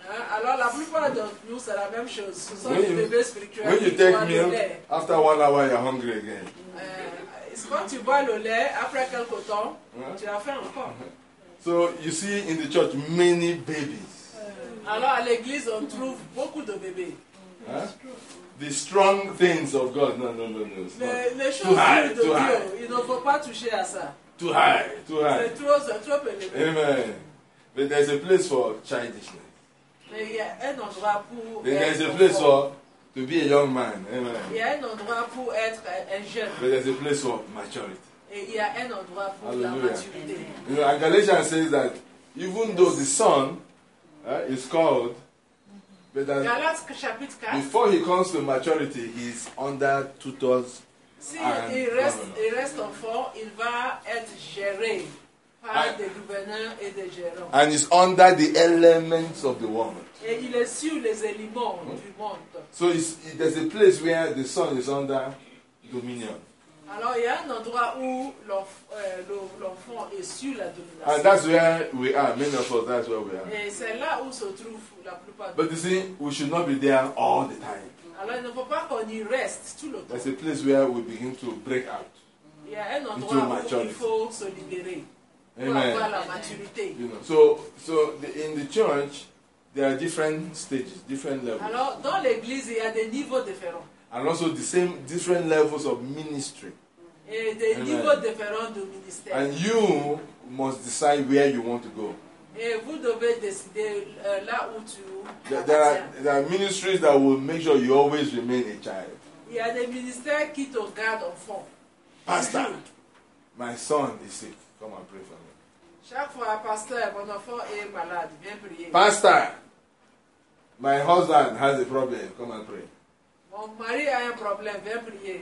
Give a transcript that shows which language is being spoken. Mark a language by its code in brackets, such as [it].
[fr] Alors, la plupart d'entre nous, c'est la même chose. Ce sont les bébés spirituels. [en] When you take milk, after 1 hour, you're hungry again. [fr] It's quand tu bois le lait, après quelque temps, tu as faim encore. [en] So, you see in the church, many babies. [fr] Alors, à l'église, on trouve beaucoup de bébés. [en] The strong things of God. No. [fr] Les choses dures de Dieu, il ne faut pas toucher à ça. [en] Too high. [fr] C'est trop élevé. [en] Amen. But there's a place for childishness. [fr] Mais il y a un endroit pour être un enfant. [en] To be a young man. Amen. [fr] Il y a un endroit pour être un jeune. [en] But there's a place for maturity. [fr] Et il y a un endroit pour la maturité. [en] You know, and Galatians says that even though the son is called, but that before he comes to maturity, he's under tutors. [fr] Si il reste enfant, il va être géré par des gouverneurs et des gérants. [en] And he's under the elements of the world. [fr] Et il est sur les éléments du monde. [en] So there's a place where the son is under dominion. [fr] Alors il y a un endroit où l'enfant est sur la domination. [en] And that's where we are. Many of us, that's where we are. [fr] Et c'est là où se trouve la plupart. [en] But you see, we should not be there all the time. [fr] Alors, il ne faut pas qu'on y reste tout le temps. [en] There's a place where we begin to break out. [fr] Il y a un endroit où maturity. Il faut se libérer. Amen. Pour avoir la maturité. [en] You know, so in the church, there are different stages, different levels. [fr] Alors, dans l'église, il y a des niveaux différents. [en] And also the same different levels of ministry. [fr] Et des Amen. Niveaux différents de ministère. [en] And you must decide where you want to go. [fr] Et vous devez décider là où tu [en] there are ministries that will make sure you always remain a child. [fr] Il y a des ministères qui te gardent enfant. [en] Pastor, my son is sick. Come and pray for me. [fr] Chaque fois, pasteur, mon enfant est malade. Viens prier. [en] Pastor, my husband has a problem. Come and pray. [fr] Mon mari a un problème. Viens prier.